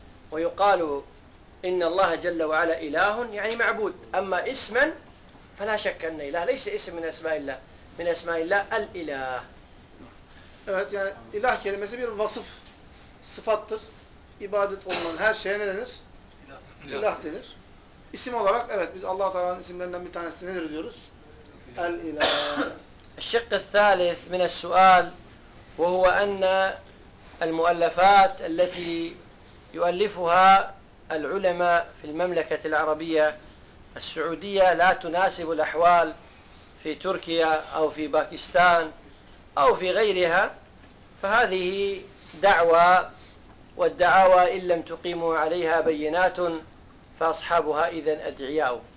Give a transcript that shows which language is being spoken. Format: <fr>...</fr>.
<ar>ويقال إن الله جل وعلا إله يعني معبود أما اسما فلا شك أن إله ليس اسم من أسماء الله من أسماء الله الإله.</ar> <tr>Evet yani ilah kelimesi bir vasıf sıfattır. İbadet olunan her şeye ne denir? İlah denir. İsim olarak evet biz Allah Teala'nın isimlerinden bir tanesi nedir diyoruz? El İlah.</tr> <ar>الشق الثالث من السؤال وهو أن المؤلفات التي يؤلفها العلماء في المملكة العربية السعودية لا تناسب الأحوال في تركيا أو في باكستان أو في غيرها فهذه دعوة والدعاوى إن لم تقيموا عليها بينات فأصحابها إذن أدعياء.</ar>